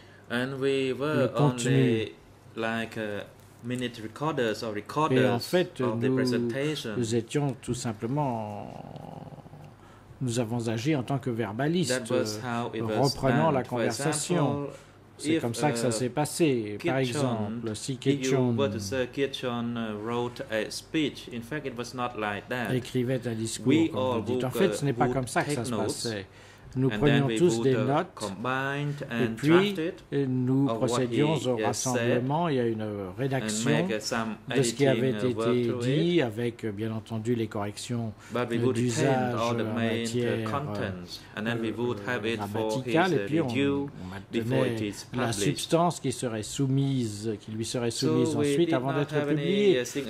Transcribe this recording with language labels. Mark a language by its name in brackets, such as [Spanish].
[English] And we were only like minute recorders or recorders [French] en fait, [English] of the presentation. [French] Nous étions tout simplement. Nous avons agi en tant que verbalistes, reprenant la conversation. C'est comme ça que ça s'est passé. Par exemple, si [English] Kitchen wrote a speech, in fact, it was not like that. [French] Écrivait un discours, comme vous le dites. En fait, ce n'est pas comme ça que ça se passait. Nous prenions tous des notes, et puis nous procédions au rassemblement. Il y a une rédaction de ce qui avait été dit, avec bien entendu les corrections d'usage en matière grammaticale, et puis on maintenait la substance qui serait soumise, qui lui serait soumise ensuite avant d'être publiée.